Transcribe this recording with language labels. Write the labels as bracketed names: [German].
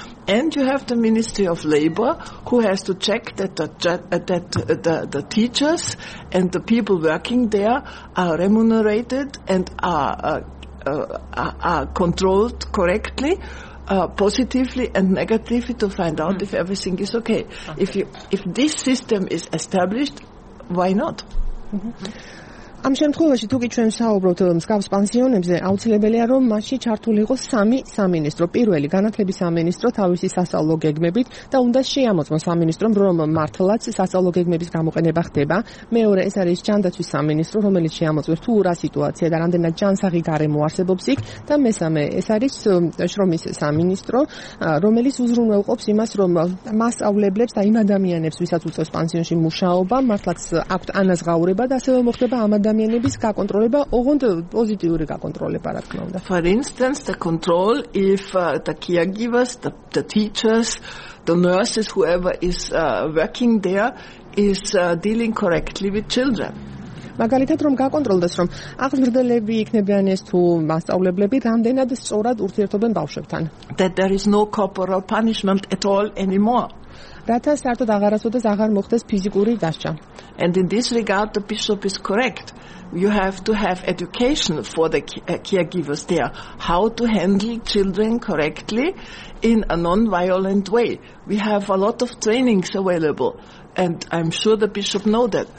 [English] And you have the Ministry of Labor, who has to check that the teachers and the people working there are remunerated and are controlled correctly, positively and negatively, to find out if everything is okay. If this system is established, why not? Mm-hmm. [Georgian] ამ შემთხვევაში თუ კი ჩვენ საუბრობთ მსგავს პენსიონებზე, აუცილებელია რომ მასში ჩართულიყო სამი სამინისტრო. პირველი განათლების სამინისტრო თავისი სასწავლო გეგმებით და უნდა შეამოწმოს სამინისტრომ რომ მართლაც სასწავლო გეგმების გამოყენება ხდება. მეორე ეს არის ჯანდაცვის სამინისტრო, რომელიც შეამოწმოს თუ რა სიტუაცია და რამდენად ჯანსაღი გარემო არსებობს იქ და მესამე ეს არის შრომის სამინისტრო, რომელიც უზრუნველყოფს იმას რომ მასწავლებლებს და იმ ადამიანებს ვისაც უწევს პენსიონში მუშაობა მართლაც აქვთ ანაზღაურება და ასევე მოხდება ამ ადამიანების გაკონტროლება, ოღონდ პოზიტიური გაკონტროლება, რა თქმა უნდა. [English] For instance, the control if the caregivers, the teachers, the nurses, whoever is working there, is dealing correctly with children. [Georgian] მაგალითად რომ გაკონტროლდეს რომ აღმრდელები იქნებიან ეს თუ მასწავლებლები რამდენად სწორად ურთიერთობენ ბავშვებთან. [English] That there is no corporal punishment at all anymore. [Georgian] რათა საერთოდ აღარასოდეს აღარ მოხდეს ფიზიკური დასჯა. [English] And in this regard the bishop is correct. You have to have education for the caregivers there how to handle children correctly in a non-violent way. We have a lot of trainings available. And I'm sure the bishop knows that.